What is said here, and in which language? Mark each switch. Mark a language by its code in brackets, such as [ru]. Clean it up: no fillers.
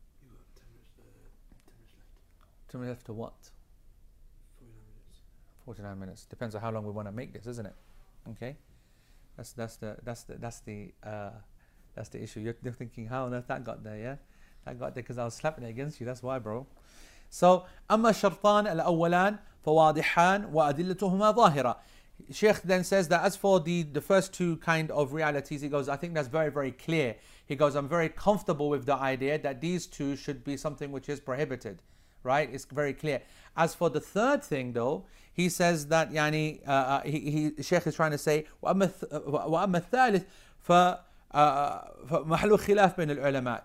[en] You have 10 minutes left. 10 minutes left to what? 49 minutes. 49 minutes. Depends on how long we want to make this, isn't it? Okay. That's the issue. You're thinking, how on earth that got there? Yeah, that got there because I was slapping it against you. That's why, bro. [ar] So, أما الشرطان الأولان فواضحان وأدلتهما ظاهرة. [en] Sheikh then says that as for the first two kind of realities, he goes, I think that's very, very clear. He goes, I'm very comfortable with the idea that these two should be something which is prohibited, right? It's very clear. As for the third thing, though, he says that يعني Sheikh is trying to say [ar] وأما الثالث فمحلو خلاف بين العلماء.